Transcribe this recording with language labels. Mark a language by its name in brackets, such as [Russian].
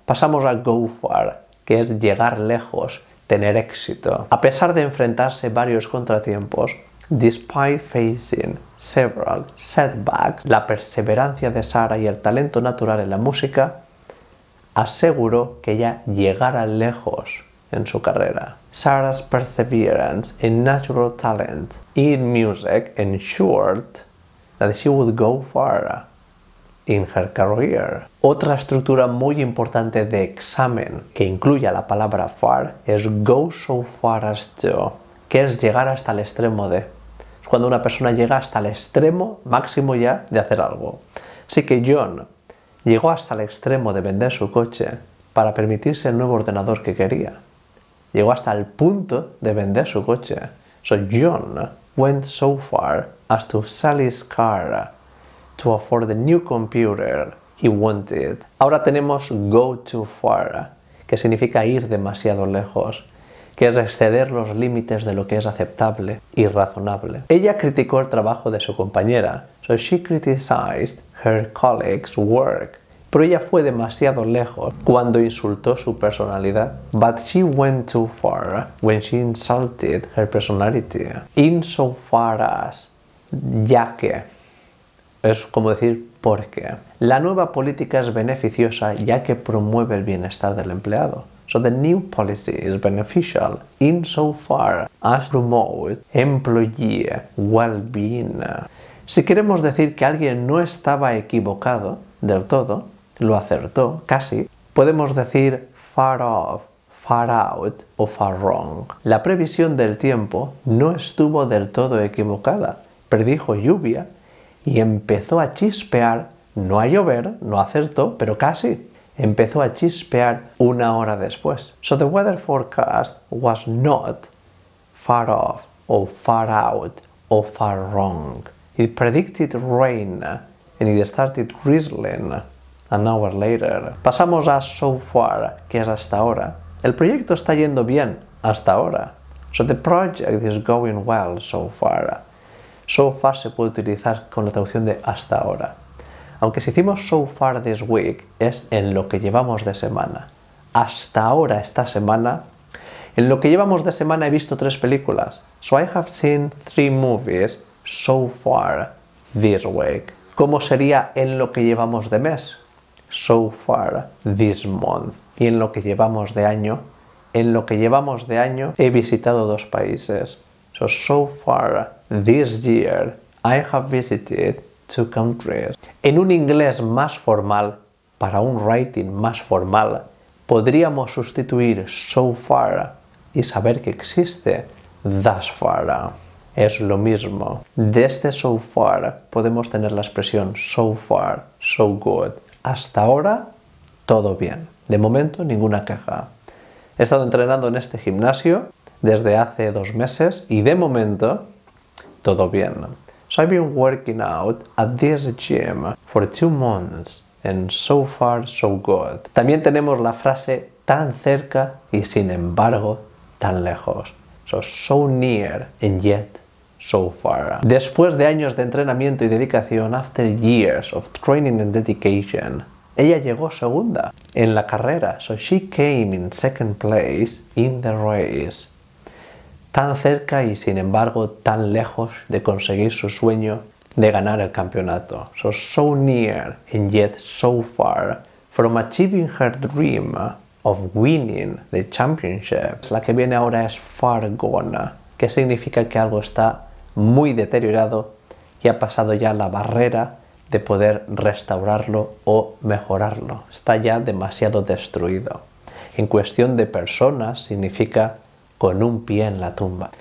[Spanish] Pasamos a go far, que es llegar lejos, tener éxito. A pesar de enfrentarse varios contratiempos, [English] despite facing several setbacks, [Spanish] la perseverancia de Sara y el talento natural en la música aseguró que ella llegara lejos en su carrera. [English] Sara's perseverance and natural talent in music ensured that she would go far in her career. [Spanish] Otra estructura muy importante de examen que incluye la palabra far es go so far as to, que es llegar hasta el extremo de. Es cuando una persona llega hasta el extremo máximo ya de hacer algo. Así que John llegó hasta el extremo de vender su coche para permitirse el nuevo ordenador que quería. Llegó hasta el punto de vender su coche. [English] So John went so far as to sell his car to afford the new computer he wanted. [Spanish] Ahora tenemos go too far, que significa ir demasiado lejos, que es exceder los límites de lo que es aceptable y razonable. Ella criticó el trabajo de su compañera. [English] So she criticized her colleague's work. [Spanish] Pero ella fue demasiado lejos cuando insultó su personalidad. [English] But she went too far when she insulted her personality. [Spanish] Insofar as, ya que. Es como decir, ¿por qué? La nueva política es beneficiosa ya que promueve el bienestar del empleado. [English] So the new policy is beneficial insofar as promote employee well-being. [Spanish] Si queremos decir que alguien no estaba equivocado del todo, lo acertó, casi, podemos decir far off, far out o far wrong. La previsión del tiempo no estuvo del todo equivocada. Predijo lluvia y empezó a chispear, no a llover, no acertó, pero casi. Empezó a chispear una hora después. [English] So the weather forecast was not far off or far out or far wrong. It predicted rain and it started drizzling an hour later. [Spanish] Pasamos a so far, que es hasta ahora. El proyecto está yendo bien hasta ahora. [English] So the project is going well so far. [Spanish] So far se puede utilizar con la traducción de hasta ahora. Aunque si hicimos so far this week, es en lo que llevamos de semana. Hasta ahora esta semana. En lo que llevamos de semana he visto 3 películas. [English] So I have seen 3 movies so far this week. [Spanish] ¿Cómo sería en lo que llevamos de mes? So far this month. Y en lo que llevamos de año. En lo que llevamos de año he visitado 2 países. [English] So far this year I have visited 2 countries. [Spanish] En un inglés más formal, para un writing más formal, podríamos sustituir so far y saber que existe thus far. Es lo mismo. De este so far podemos tener la expresión so far, so good. Hasta ahora, todo bien. De momento, ninguna queja. He estado entrenando en este gimnasio desde hace 2 meses y de momento, todo bien. [English] So I've been working out at this gym for 2 months and so far so good. [Spanish] También tenemos la frase tan cerca y sin embargo tan lejos. [English] So so near and yet so far. [Spanish] Después de años de entrenamiento y dedicación, [English] after years of training and dedication, [Spanish] ella llegó segunda en la carrera. [English] So she came in second place in the race. [Spanish] Tan cerca y sin embargo tan lejos de conseguir su sueño de ganar el campeonato. [English] So so near and yet so far from achieving her dream of winning the championship. [Spanish] La que viene ahora es far gone, que significa que algo está muy deteriorado y ha pasado ya la barrera de poder restaurarlo o mejorarlo. Está ya demasiado destruido. En cuestión de personas significa con un pie en la tumba.